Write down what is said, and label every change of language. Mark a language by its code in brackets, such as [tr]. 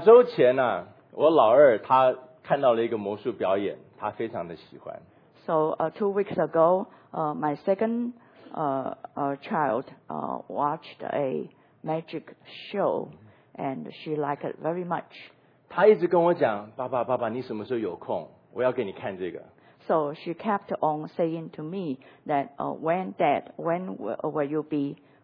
[zh] 周前啊，我老二他看到了一个魔术表演，他非常的喜欢。 [en] So two weeks ago, my second. A child watched a magic show and she liked it very much. [zh] 她一直跟我讲，爸爸，爸爸，你什么时候有空？我要给你看这个。 [en] So she kept on saying to me that when dad, when will you be